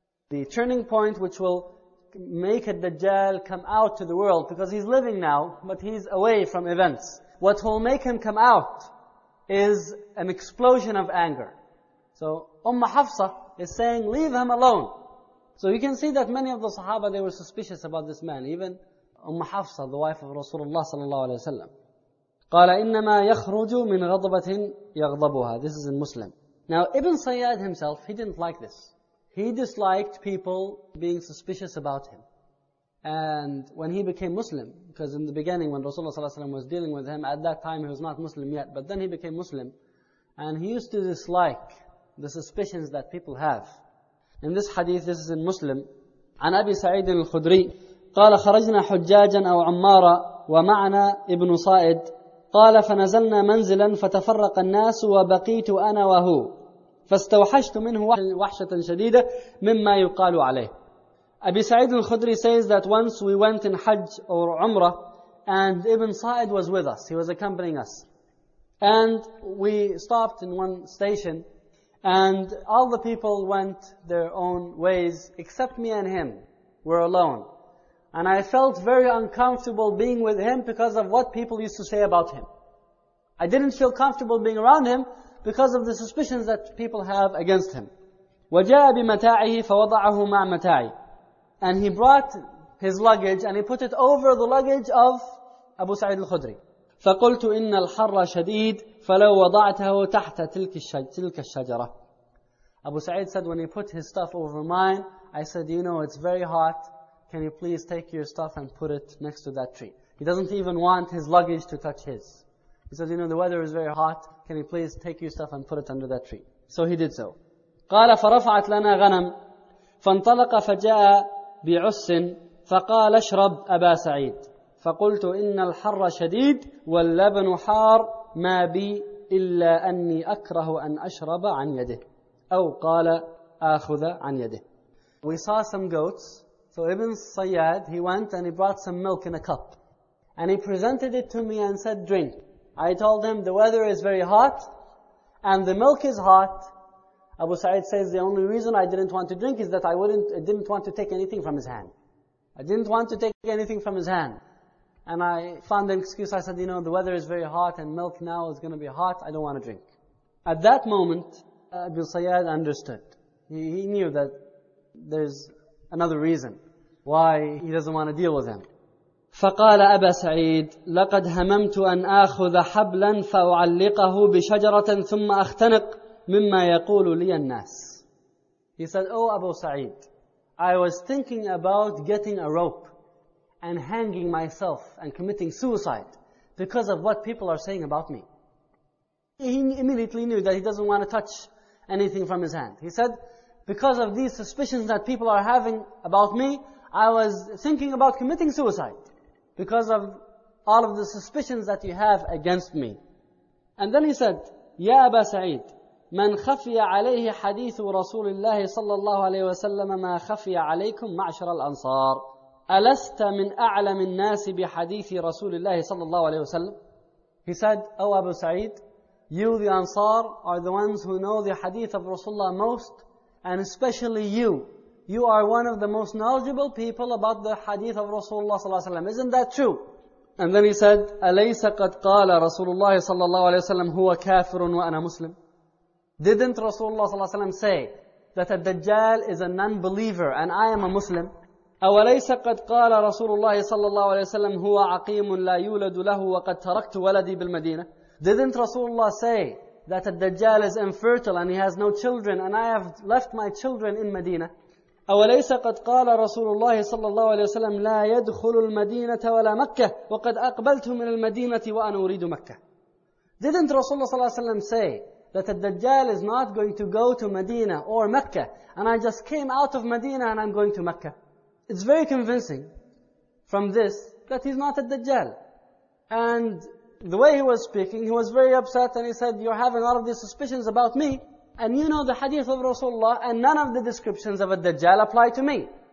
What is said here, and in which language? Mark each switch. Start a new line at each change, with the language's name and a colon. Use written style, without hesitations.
English: The turning point which will make a Dajjal come out to the world, because he's living now, but he's away from events. What will make him come out is an explosion of anger. So Umm Hafsa is saying, leave him alone. So you can see that many of the Sahaba, they were suspicious about this man. Even Umm Hafsa, the wife of Rasulullah sallallahu alayhi wa sallam.
Arabic: قَالَ إِنَّمَا يَخْرُجُ مِنْ غَضَبَةٍ يَغْضَبُهَا
English: This is in Muslim. Now Ibn Sayyad himself, he didn't like this. He disliked people being suspicious about him. And when he became Muslim, because in the beginning when Rasulullah ﷺ was dealing with him, at that time he was not Muslim yet, but then he became Muslim. And he used to dislike the suspicions that people have. In this hadith, this is in Muslim,
Arabic: عن أبي سعيد الخدري قال خرجنا حجاجا أو عمارا ومعنا ابن صائد قال فنزلنا منزلا فتفرق الناس وبقيت أنا وهو فاستوحشت منه وحشة شديدة مما يقال عليه.
English: Abi Sa'id al-Khudri says that once we went in Hajj or Umrah and Ibn Sa'id was with us. He was accompanying us. And we stopped in one station and all the people went their own ways except me and him. We're alone. And I felt very uncomfortable being with him because of what people used to say about him. I didn't feel comfortable being around him because of the suspicions that people have against him.
Arabic: وَجَاءَ بِمَتَاعِهِ فَوَضَعَهُ مَعْ مَتَاعِ
English: And he brought his luggage and he put it over the luggage of Abu Sa'id al-Khudri.
Arabic: فَقُلْتُ إِنَّ الْحَرَّ شَدِيدٌ فَلَوْ وَضَعْتَهُ تَحْتَ تِلْكَ الشَّجَرَةِ
English: Abu Sa'id said, when he put his stuff over mine, I said, you know, it's very hot. Can you please take your stuff and put it next to that tree? He doesn't even want his luggage to touch his. He says, you know, the weather is very hot. Can you please take your stuff and put it under that tree? So he did so.
Arabic: قَالَ فَرَفَعَتْ لَنَا غَنَمْ فَانْطَلَقَ فَجَاءَ بِعُسٍ فَقَالَ اشْرَبْ أَبَا سَعِيدٍ فَقُلْتُ إِنَّ الْحَرَّ شَدِيدٌ وَاللَّبَنُ حَارٌ مَا بِي إِلَّا أَنِّي أَكْرَهُ أَنْ أَشْرَبَ عَنْ يَدِهِ أَوْ قَالَ أَخُذَ عَنْ يَدِهِ
English: We saw some goats. So Ibn Sayyad, he went and he brought some milk in a cup. And he presented it to me and said, drink. I told him, the weather is very hot and the milk is hot. Abu Sa'id says the only reason I didn't want to drink is that I didn't want to take anything from his hand. I didn't want to take anything from his hand. And I found an excuse. I said, you know, the weather is very hot and milk now is going to be hot. I don't want to drink. At that moment, Abu Sayyad understood. He knew that there's another reason why he doesn't want to deal with him.
Arabic: فقال أبا سعيد لقد هممت أن آخذ حبلا فأعلقه بشجرة ثم أختنق مما يقول لي الناس.
English: He said, oh Abu Sa'id, I was thinking about getting a rope and hanging myself and committing suicide because of what people are saying about me. He immediately knew that he doesn't want to touch anything from his hand. He said, because of these suspicions that people are having about me, I was thinking about committing suicide because of all of the suspicions that you have against me. And then he said,
Arabic: Ya Aba Sa'id, من خفي عليه حديث رسول الله صلى الله عليه وسلم ما خفي عليكم معشر الأنصار ألست من أعلم الناس بحديث رسول الله صلى الله عليه وسلم.
English: He said, oh Abu Sa'id, you the Ansar are the ones who know the hadith of Rasulullah most, and especially you. You are one of the most knowledgeable people about the hadith of Rasulullah صلى الله عليه وسلم. Isn't that true? And then he said,
Arabic: أليس قد قال رسول الله صلى الله عليه وسلم هو كافر وأنا مسلم.
English: Didn't Rasulullah صلى الله عليه وسلم say that a Dajjal is a non-believer and I am a Muslim?
Arabic: أوليس قد قال رسول الله صلى الله عليه وسلم هو عقيم لا يولد له وقد تركت ولدي بالمدينة؟
English: Didn't Rasulullah say that a Dajjal is infertile and he has no children and I have left my children in Medina?
Arabic: أوليس قد قال رسول الله صلى الله عليه وسلم لا يدخل المدينة ولا مكة وقد أقبلت من المدينة وأنا أريد مكة؟
English: Didn't Rasulullah صلى الله عليه وسلم say that a Dajjal is not going to go to Medina or Mecca, and I just came out of Medina and I'm going to Mecca? It's very convincing from this that he's not a Dajjal. And the way he was speaking, he was very upset and he said, you're having all of these suspicions about me, and you know the hadith of Rasulullah, and none of the descriptions of a Dajjal apply to me.